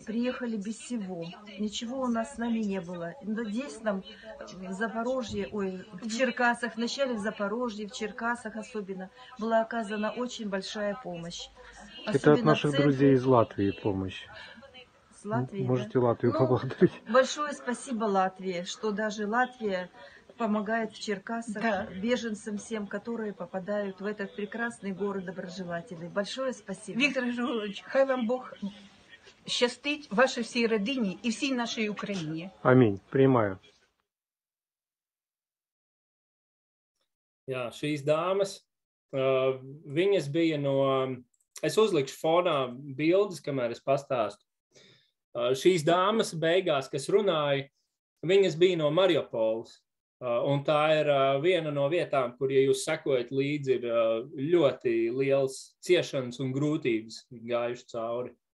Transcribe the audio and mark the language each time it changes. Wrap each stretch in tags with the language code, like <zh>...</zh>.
<uk>Приїхали без всього. Нічого у нас на лінії не було. Десь нам в Запорожжі, ой, в Черкасах, вначале в Запорожжі, в Черкасах особливо була оказана дуже велика допомога. Це від наших друзів з Латвії допомога.</uk> <ru>Латвии, можете, да? Латвию поблагодарить. Большое спасибо Латвии, что даже Латвия помогает в Черкасах, да. Беженцам всем, которые попадают в этот прекрасный город доброжелателей. Большое спасибо. Виктор Жулович,</ru> <uk>хай вам Бог счастить</uk> <ru>вашей всей родине и всей нашей Украине. Аминь. Принимаю. Я,</ru> <lv>šīs dāmas, viņas bija no... Es uzlikšu fonā bildes, kamēr es pastāstu. Šīs dāmas beigās, kas runāja, viņas bija no Mariupoles, un tā ir viena no vietām, kur, ja jūs sekojat līdzi, ir ļoti liels ciešanas un grūtības gājuši cauri.</lv>